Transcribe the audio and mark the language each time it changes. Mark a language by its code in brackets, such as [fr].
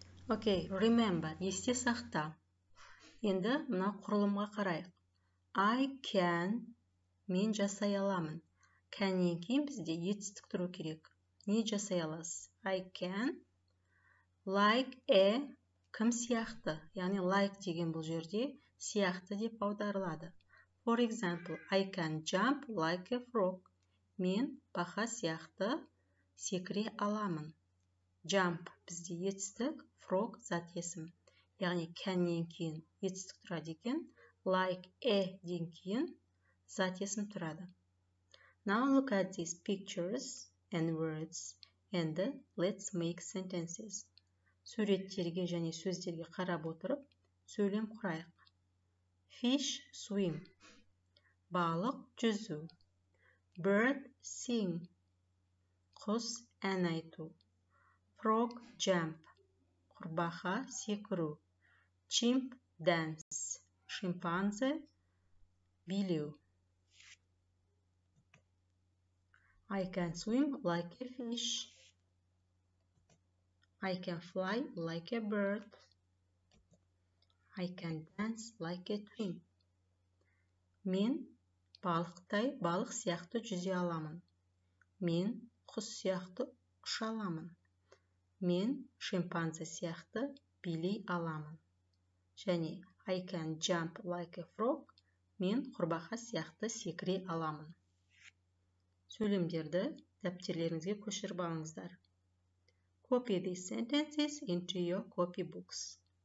[en] Okay, remember, [kk] есте сақта. Енді мына құрылымға қарайық. [en] I can, [kk] мен жасай аламын. Can-нен кейін бізде етістік тұру керек. Не жасай аласыз? [en] I can, like a, [kk] кім сияқты? Яғни like деген бұл жерде сияқты деп аударылады. [en] For example, I can jump like a frog. [kk] Мен паха сияқты секіре аламын. Jump бізде етістік. Frog зат есім. Яғни can-нен кейін етістік тұрады екен. like e-ден кейін зат есім тұрады. [en] Now look at these pictures and words and let's make sentences. [kk] Суреттерге және сөздерге қарап отырып, сөйлем құрайық. [en] Fish swim. [kk] Балық жүзу. [en] Bird sing. [kk] Құс ән айту. [en] Frog jump. [kk] Құрбақа секіру. [en] Chimp dance. [kk] Шимпанзе билеу. [en] I can swim like a fish. I can fly like a bird. I can dance like a twin. [kk] Мен балықтай балық сияқты жүзе аламын. Мен құс сияқты ұша аламын. Мен шимпанзе сияқты билей аламын. [en] Және I can jump like a frog. [kk] Мен құрбақа сияқты секіре аламын. Сөйлемдерді дәптерлеріңізге көшіріп алыңыздар. [en] Copy these sentences into your copy books.